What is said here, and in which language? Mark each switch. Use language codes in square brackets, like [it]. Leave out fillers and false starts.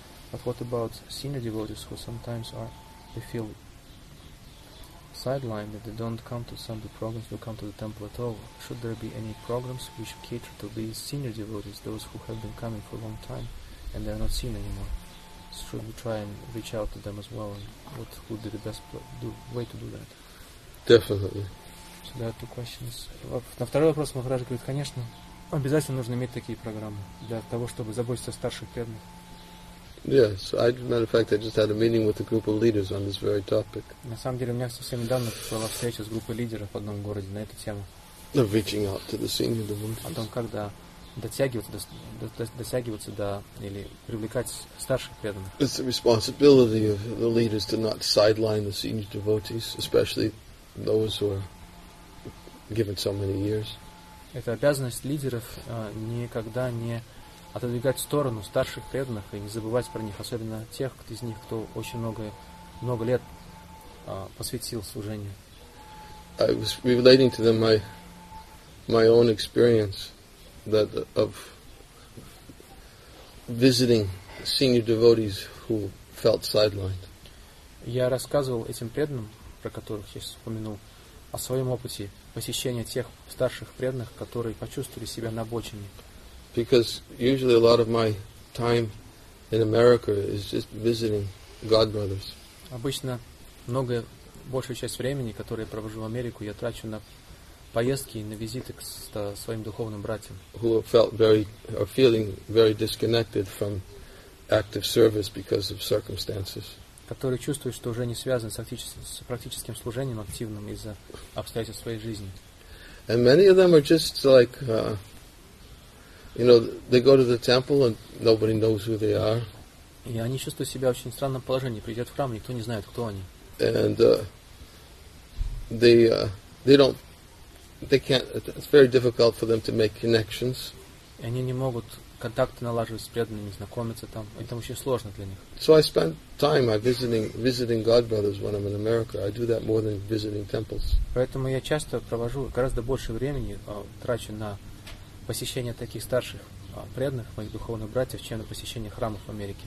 [en] But what about senior devotees who sometimes they feel sidelined, that they don't come to Sunday programs, don't come to the temple at all? Should there be any programs which cater to these senior devotees, those who have been coming for a long time and they are not seen anymore? Should we try and reach out to them as well, and what would be the best way to do that? Definitely. So there are two questions. [ru] На второй вопрос Махарадж говорит, конечно, обязательно нужно иметь такие программы для того, чтобы заботиться о старших преданных. [en] Yes, as a matter of fact, I just had a meeting with a group of leaders on this very topic. [ru] На самом деле, у меня совсем недавно была встреча с группой лидеров в одном городе на эту тему. [en] Of reaching out to the senior devotees. [ru] О том, как дотягиваться до или привлекать старших преданных. [en] It's the responsibility of the leaders to not sideline the senior devotees, especially those who are given so many years. [ru] Это обязанность лидеров никогда не отодвигать в сторону старших преданных и не забывать про них, особенно тех из них, кто очень много лет посвятил служению. [en] I was relating to them my own experience that of visiting senior devotees who felt sidelined. [ru] Я рассказывал этим преданным, про которых я сейчас упомянул, о своем опыте посещения тех старших преданных, которые почувствовали себя на обочине. [en] Because usually a lot of my time in America is just visiting God brothers. [ru] Обычно много большую часть времени, которое я провожу в Америку, я трачу на поездки и на визиты к своим духовным братьям. [en] Who felt very or feeling very disconnected from active service because of circumstances. [ru] Которые чувствуют, что уже не связаны с практическим служением активным из-за обстоятельств своей жизни. [en] And many of them are just like you know, they go to the temple and nobody knows who they are. [ru] И они чувствуют себя в очень странном положении. Придет в храм, никто не знает, кто они. [en] And it's very difficult for them to make connections. [ru] И они не могут контакты налаживать с преданными, знакомиться там. Это очень сложно для них. [en] So I spend time visiting God brothers when I'm in America. I do that more than visiting temples. [ru] Поэтому я часто провожу гораздо больше времени трачу на посещение таких старших преданных, моих духовных братьев, чем на посещение храмов в Америке.